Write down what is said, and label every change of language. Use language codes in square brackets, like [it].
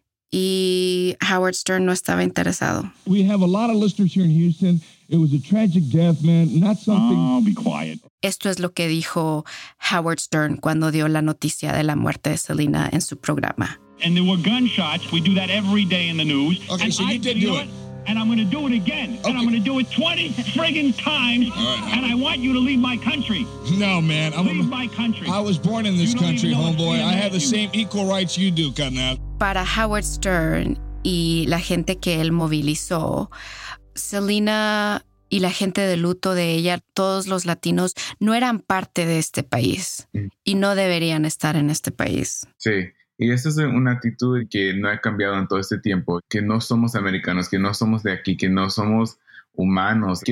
[es] Y Howard Stern no estaba interesado. [en] We have a lot of listeners here in Houston. It was a tragic death, man. Not something... Oh, be quiet. [es] Esto es lo que dijo Howard Stern cuando dio la noticia de la muerte de Selena en su programa. [en] And there were gunshots. We do that every day in the news. Okay, and so you did do it. And I'm going to do it again. Okay. And I'm going to do it 20 friggin' times. Right, and I want you to leave my country. No, man. My country. I was born in this country, homeboy. I have the same equal rights you do, carnal. [es] Para Howard Stern y la gente que él movilizó, Selena y la gente de luto de ella, todos los latinos, no eran parte de este país y no deberían estar en este país. Sí, y esa es una actitud que no ha cambiado en todo este tiempo, que no somos americanos, que no somos de aquí, que no somos humanos.